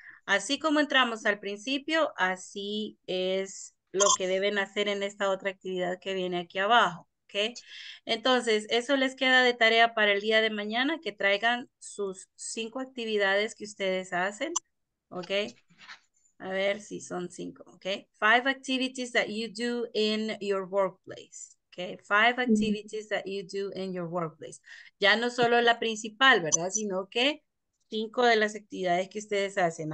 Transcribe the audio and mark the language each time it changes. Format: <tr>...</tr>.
<es>Así como entramos al principio, así es lo que deben hacer en esta otra actividad que viene aquí abajo, ¿ok? Entonces, eso les queda de tarea para el día de mañana, que traigan sus 5 actividades que ustedes hacen, ¿ok? A ver si son 5, ¿ok?</es> <en>5 activities that you do in your workplace, ¿ok? 5 activities that you do in your workplace.</en> <es>Ya no solo la principal, ¿verdad? Sino que 5 de las actividades que ustedes hacen.</es>